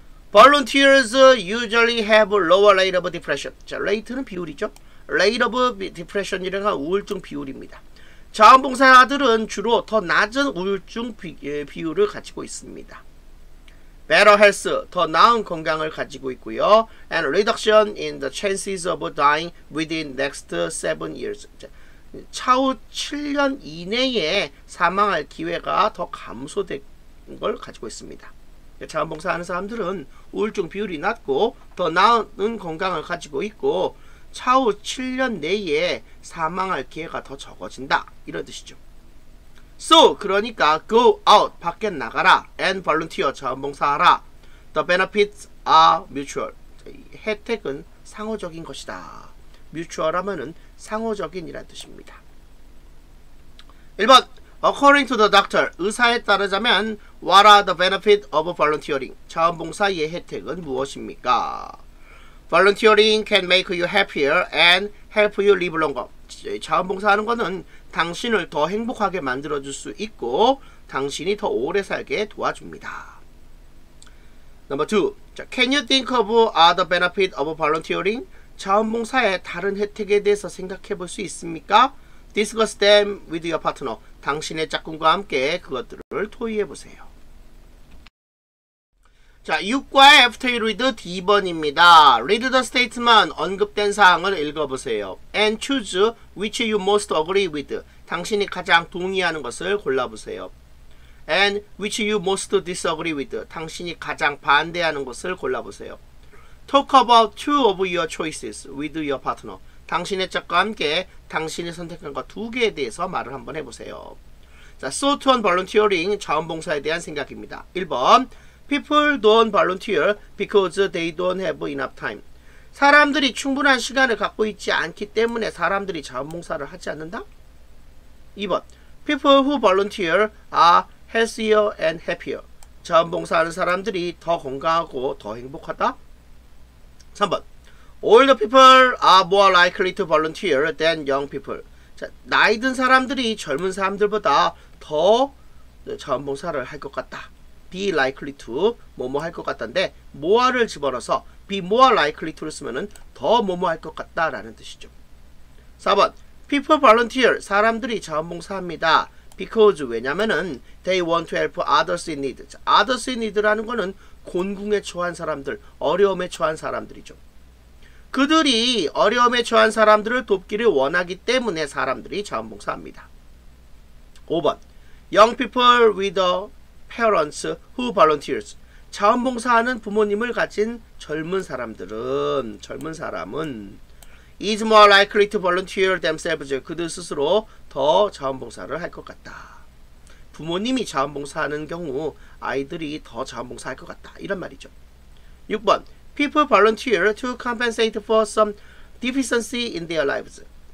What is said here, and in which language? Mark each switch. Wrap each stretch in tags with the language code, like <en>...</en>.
<en>volunteers usually have lower rate of depression.</en> <ko>자, rate는 비율이죠. rate of depression이라는 건 우울증 비율입니다. 자원봉사자들은 주로 더 낮은 우울증 비율을 가지고 있습니다.</ko> <en>Better health,</en> <ko>더 나은 건강을 가지고 있고요.</ko> <en>And reduction in the chances of dying within next 7 years.</en> <ko>차후 7년 이내에 사망할 기회가 더 감소된 걸 가지고 있습니다. 자원봉사하는 사람들은 우울증 비율이 낮고 더 나은 건강을 가지고 있고 차후 7년 내에 사망할 기회가 더 적어진다. 이런 뜻이죠.</ko> <en>So,</en> <ko>그러니까</ko> <en>go out,</en> <ko>밖에 나가라.</ko> <en>And volunteer,</en> <ko>자원봉사하라.</ko> <en>The benefits are mutual.</en> <ko>혜택은 상호적인 것이다. Mutual 하면은 상호적인이라는 뜻입니다.</ko> <en>1번, according to the doctor,</en> <ko>의사에 따르자면</ko> <en>What are the benefits of volunteering?</en> <ko>자원봉사의 혜택은 무엇입니까?</ko> <en>Volunteering can make you happier and help you live longer.</en> <ko>자원봉사하는 것은 당신을 더 행복하게 만들어줄 수 있고 당신이 더 오래 살게 도와줍니다.</ko> <en>Number two, can you think of other benefits of volunteering?</en> <ko>자원봉사의 다른 혜택에 대해서 생각해 볼 수 있습니까?</ko> <en>Discuss them with your partner.</en> <ko>당신의 짝꿍과 함께 그것들을 토의해 보세요. 자, 6과의</ko> <en>after you read</en> <ko>D번입니다.</ko> <en>Read the statement,</en> <ko>언급된 사항을 읽어보세요.</ko> <en>And choose which you most agree with.</en> <ko>당신이 가장 동의하는 것을 골라보세요.</ko> <en>And which you most disagree with.</en> <ko>당신이 가장 반대하는 것을 골라보세요.</ko> <en>Talk about two of your choices with your partner.</en> <ko>당신의 짝과 함께 당신이 선택한 것 두 개에 대해서 말을 한번 해보세요. 자,</ko> <en>sort on volunteering,</en> <ko>자원봉사에 대한 생각입니다. 1번.</ko> <en>People don't volunteer because they don't have enough time.</en> <ko>사람들이 충분한 시간을 갖고 있지 않기 때문에 사람들이 자원봉사를 하지 않는다?</ko> <en>2번. People who volunteer are healthier and happier.</en> <ko>자원봉사하는 사람들이 더 건강하고 더 행복하다? 3번.</ko> <en>Older people are more likely to volunteer than young people.</en> <ko>자, 나이 든 사람들이 젊은 사람들보다 더 자원봉사를 할 것 같다. Be likely to 뭐뭐 할 것 같다인데 more를 집어넣어서 be more likely to를 쓰면은 더 뭐뭐 할 것 같다라는 뜻이죠. 4번.</ko> <en>People volunteer.</en> <ko>사람들이 자원봉사합니다.</ko> <en>Because</en> <ko>왜냐면은</ko> <en>they want to help others in need.</en> <ko>Others in need라는 거는 곤궁에 처한 사람들, 어려움에 처한 사람들이죠. 그들이 어려움에 처한 사람들을 돕기를 원하기 때문에 사람들이 자원봉사합니다.</ko> <en>5번. Young people with a Parents who volunteers.</en> <ko>자원봉사하는 부모님을 가진 젊은 사람은</ko> <en>is more likely to volunteer themselves.</en> <ko>그들 스스로 더 자원봉사를 할 것 같다. 부모님이 자원봉사하는 경우 아이들이 더 자원봉사할 것 같다. 이런 말이죠. 6번.</ko> <en>People volunteer to compensate for some deficiency in their lives.</en>